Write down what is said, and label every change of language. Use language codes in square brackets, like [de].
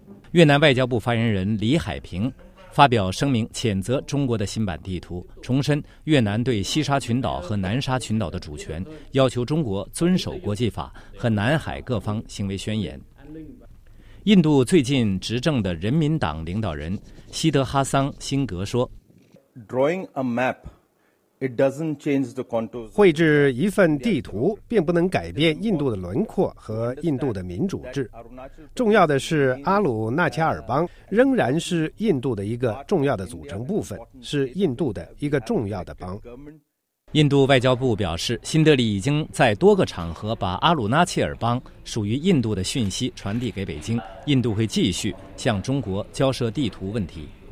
[zh] 越南外交部发言人李海平发表声明谴责中国的新版地图，重申越南对西沙群岛和南沙群岛的主权，要求中国遵守国际法和南海各方行为宣言。印度最近执政的人民党领导人希德哈桑·辛格说， [en] Drawing a map, it doesn't change the contours. [zh] 绘制一份地图并不能改变印度的轮廓和印度的民主制。重要的是，阿鲁纳恰尔邦仍然是印度的一个重要的组成部分，是印度的一个重要的邦。印度外交部表示，新德里已经在多个场合把阿鲁纳切尔邦属于印度的讯息传递给北京，印度会继续向中国交涉地图问题。